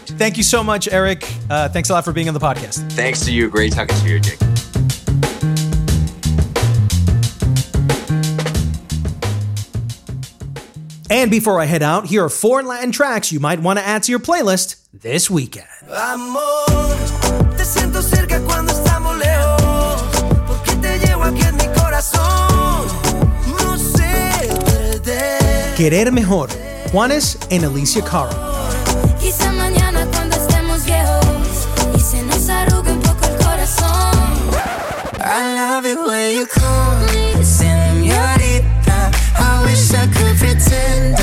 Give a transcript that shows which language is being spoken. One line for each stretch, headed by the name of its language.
English: Thank you so much, Eric. Thanks a lot for being on the podcast. Thanks to you. Great talking to you, Jake. And before I head out, here are four Latin tracks you might want to add to your playlist this weekend.
Spanish: Amor, te siento cerca cuando estamos lejos, porque te llevo aquí en mi corazón, no sé perder. Querer Mejor, Juanes and Alicia Caro. Quizá mañana cuando estemos viejos, y se nos arruga un poco el corazón.
English: I love it when you call me, señorita, I wish I could pretend.